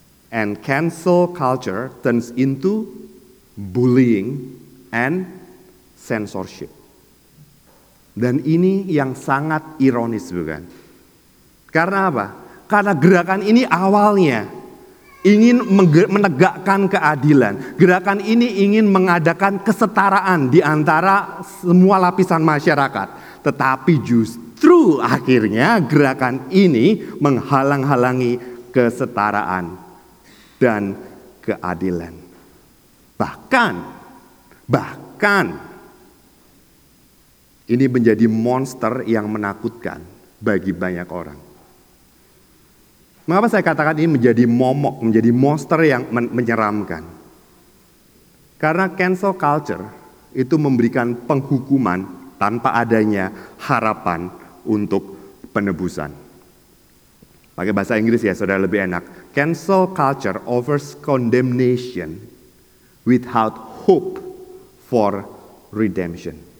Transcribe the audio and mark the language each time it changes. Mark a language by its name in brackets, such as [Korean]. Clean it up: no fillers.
[English] And cancel culture turns into bullying and censorship. [Indonesian] Dan ini yang sangat ironis, bukan? Karena apa? Karena gerakan ini awalnya ingin menegakkan keadilan. Gerakan ini ingin mengadakan kesetaraan di antara semua lapisan masyarakat. Tetapi justru akhirnya gerakan ini menghalang-halangi kesetaraan dan keadilan. Bahkan ini menjadi monster yang menakutkan bagi banyak orang. Mengapa saya katakan ini menjadi momok, menjadi monster yang menyeramkan? Karena cancel culture itu memberikan penghukuman tanpa adanya harapan untuk penebusan. Pakai bahasa Inggris ya, saudara, lebih enak. [English] Cancel culture offers condemnation without hope for redemption.